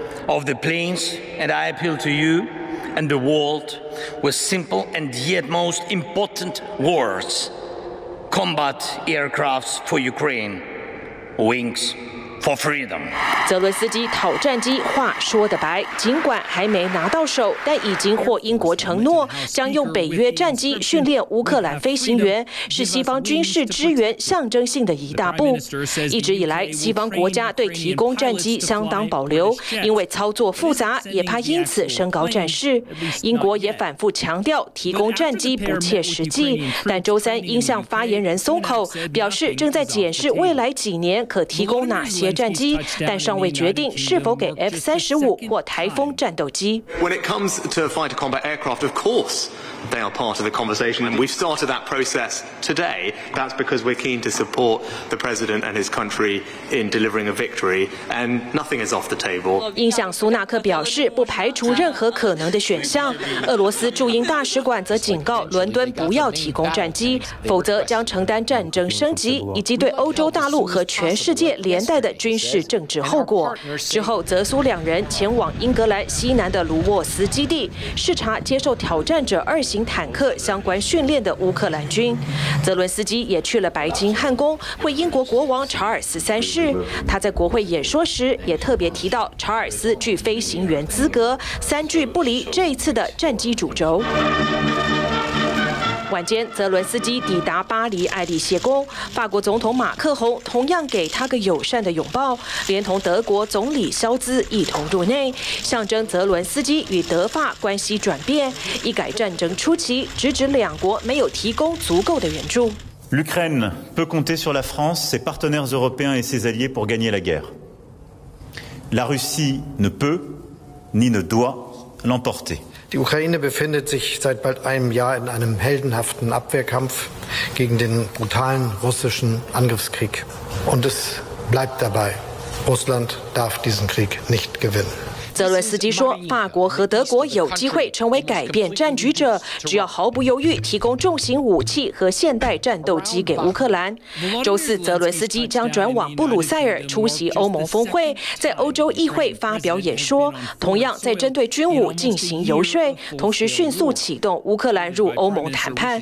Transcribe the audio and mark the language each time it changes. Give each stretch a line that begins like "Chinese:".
English: Of the planes, and I appeal to you and the world with simple and yet most important words: combat aircrafts for Ukraine, wings. For freedom.
Chinese: 泽伦斯基讨战机话说得白，尽管还没拿到手，但已经获英国承诺将用北约战机训练乌克兰飞行员，是西方军事支援象征性的一大步。一直以来，西方国家对提供战机相当保留，因为操作复杂，也怕因此升高战事。英国也反复强调提供战机不切实际，但周三英向发言人松口，表示正在检视未来几年可提供哪些谍战机，但尚未决定是否给 F-35 或台风战斗机。
English: When it comes to fighter combat aircraft, of course they are part of the conversation, and we've started that process today. That's because we're keen to support the president and his country in delivering a victory, and nothing is off the table.
Chinese: 英相苏纳克表示，不排除任何可能的选项。俄罗斯驻英大使馆则警告伦敦不要提供战机，否则将承担战争升级以及对欧洲大陆和全世界连带的军事政治后果。之后，泽苏两人前往英格兰西南的卢沃斯基地视察接受挑战者二型坦克相关训练的乌克兰军。泽伦斯基也去了白金汉宫为英国国王查尔斯三世，他在国会演说时也特别提到查尔斯具飞行员资格，三句不离这一次的战机主轴。晚间，泽伦斯基抵达巴黎埃利歇宫，法国总统马克宏同样给他个友善的拥抱，连同德国总理肖兹一同入内，象征泽伦斯基与德法关系转变，一改战争初期直指两国没有提供足够的援助。
French: L'Ukraine peut compter sur la France, ses partenaires européens et ses alliés pour gagner la guerre. La Russie ne peut ni ne doit l'emporter.
German: Die Ukraine befindet sich seit bald einem Jahr in einem heldenhaften Abwehrkampf gegen den brutalen russischen Angriffskrieg. Und es bleibt dabei. Russland darf diesen Krieg nicht gewinnen.
Chinese: 泽伦斯基说，法国和德国有机会成为改变战局者，只要毫不犹豫提供重型武器和现代战斗机给乌克兰。周四，泽伦斯基将转往布鲁塞尔出席欧盟峰会，在欧洲议会发表演说，同样在针对军武进行游说，同时迅速启动乌克兰入欧盟谈判。